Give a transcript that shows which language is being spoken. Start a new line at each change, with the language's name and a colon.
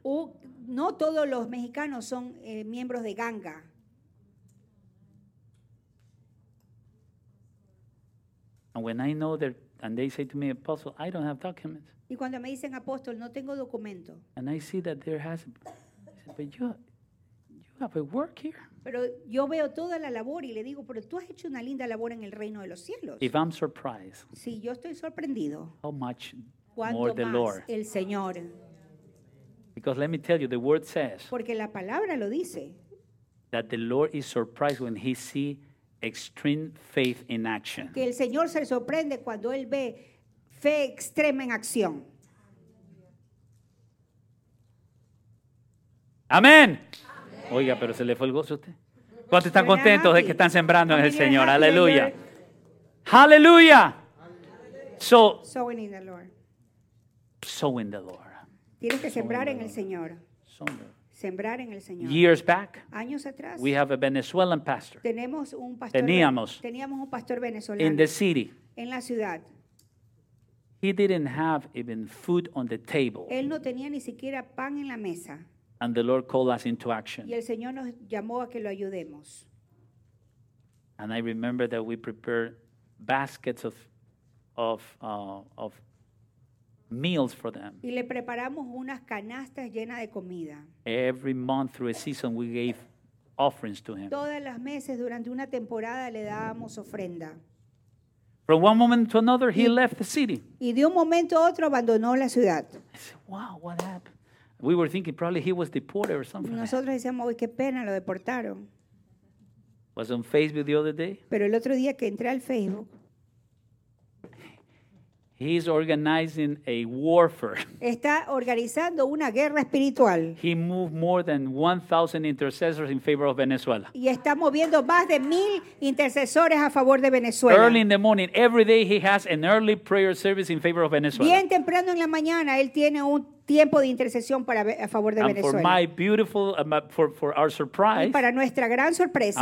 Spanish: No todos los mexicanos son miembros de ganga.
English: And when I know that, and they say to me, Apostle, I don't have documents.
Spanish: Y cuando me dicen, Apóstol, no tengo documento.
English: And I see that there has, but you have a work here.
Spanish: Pero yo veo toda la labor y le digo, pero tú has hecho una linda labor en el reino de los cielos.
English: If I'm surprised.
Spanish: Si yo estoy sorprendido.
English: How much?
Spanish: Cuanto
English: more the
Spanish: más
English: Lord.
Spanish: El Señor.
English: Because let me tell you, the word says.
Spanish: Porque la palabra lo dice.
English: That the Lord is surprised when he see extreme faith in action.
Spanish: Que el Señor se sorprende cuando él ve fe extrema en acción. Amén. Oiga, pero se le fue el gozo a usted. ¿Cuántos están contentos de que están sembrando en el Señor? Aleluya. Aleluya.
English: Sowing in the Lord. Sowing the Lord.
Spanish: Tienes que sembrar en el Señor. Sembrar en el Señor.
English: Years back,
Spanish: años atrás,
English: we have a Venezuelan pastor.
Spanish: Tenemos un pastor. Teníamos un pastor venezolano.
English: In the city.
Spanish: En la ciudad.
English: He didn't have even food on the table.
Spanish: Él no tenía ni siquiera pan en la mesa.
English: And the Lord called us into action.
Spanish: Y el Señor nos llamó a que lo ayudemos.
English: And I remember that we prepared baskets of meals for them.
Spanish: Y le preparamos unas canastas llenas de comida.
English: Every month through a season we gave offerings to him.
Spanish: Todas las meses durante una temporada le dábamos ofrenda.
English: From one moment to another he left the city.
Spanish: Y de un momento a otro abandonó la ciudad.
English: I said, wow, what happened? We were thinking probably he was deported or something.
Spanish: Nosotros decíamos, uy, qué pena, lo deportaron.
English: Was on Facebook the other day.
Spanish: Pero el otro día que entré al Facebook,
English: he's organizing a warfare.
Spanish: Está organizando una guerra espiritual.
English: He moved more than 1,000 intercessors in favor of Venezuela.
Spanish: Y está moviendo más de 1,000 intercesores a favor de Venezuela.
English: Early in the morning, every day he has an early prayer service in favor of Venezuela.
Spanish: Bien temprano en la mañana, él tiene un tiempo de intercesión para a favor de
English: and
Spanish: Venezuela.
English: For my beautiful, for our surprise,
Spanish: y para nuestra gran sorpresa,